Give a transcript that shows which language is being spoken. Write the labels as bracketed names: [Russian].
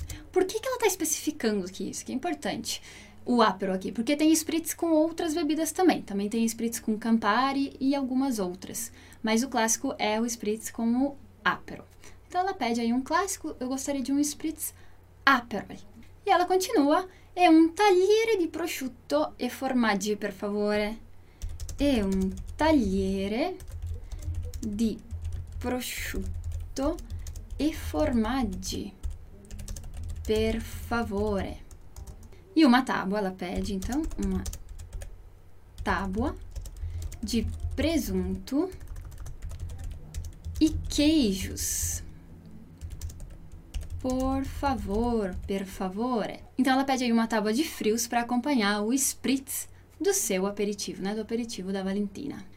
[Portuguese] Por que ela está especificando aqui isso? Que é importante o aperol aqui. Porque tem spritz com outras bebidas também. Também tem spritz com Campari e algumas outras. Mas o clássico é o spritz com o aperol. Então, ela pede aí um clássico, eu gostaria de um spritz aperol. E ela continua, e um [Italian] tagliere di prosciutto e formaggi, per favore. [Portuguese] E um [Italian] tagliere di prosciutto e formaggi, per favore. [Portuguese] E uma tábua, ela pede, então, uma tábua de presunto e queijos. Por favor, [Italian] per favore. [Portuguese] Então, ela pede aí uma tábua de frios para acompanhar o spritz do seu aperitivo, né? Do aperitivo da Valentina.